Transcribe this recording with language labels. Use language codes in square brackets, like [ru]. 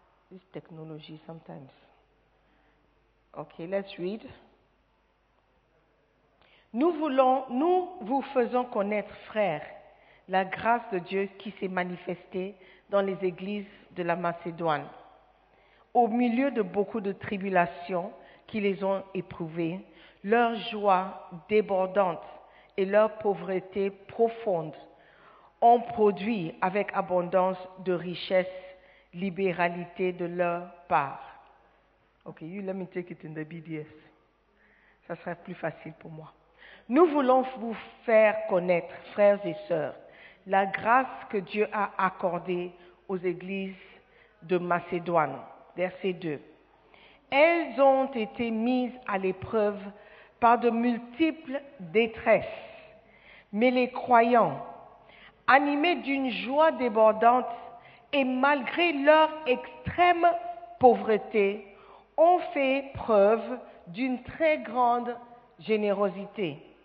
[en] This technology sometimes. Okay, let's read. [fr] Nous vous faisons connaître, frères, la grâce de Dieu qui s'est manifestée dans les églises de la Macédoine. Au milieu de beaucoup de tribulations qui les ont éprouvés, leur joie débordante et leur pauvreté profonde ont produit avec abondance de richesses, libéralité de leur part. [en] Okay, you let me take it in the BDS. [fr] Ça serait plus facile pour moi. Nous voulons vous faire connaître, frères et sœurs, la grâce que Dieu a accordée aux églises de Macédoine. Verset 2. Elles ont été mises à l'épreuve par de multiples détresses, mais les croyants, animés d'une joie débordante et malgré leur extrême pauvreté, ont fait preuve d'une très grande générosité.